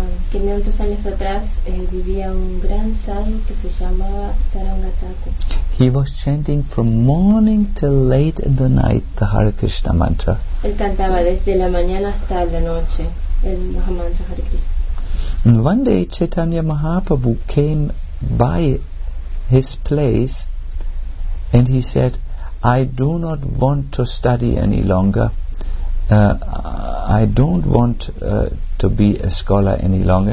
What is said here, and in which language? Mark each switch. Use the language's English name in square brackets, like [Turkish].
[Spanish] 500 años atrás, vivía un gran sadhu que se llamaba Sharangatakur. [English] He was chanting from morning till late in the night the Hare Krishna mantra. [Spanish] Él cantaba desde la mañana hasta la noche el mantra Hare Krishna. [English] And one day Chaitanya Mahaprabhu came by his place and he said, I do not want to study any longer. I don't want to be a scholar any longer.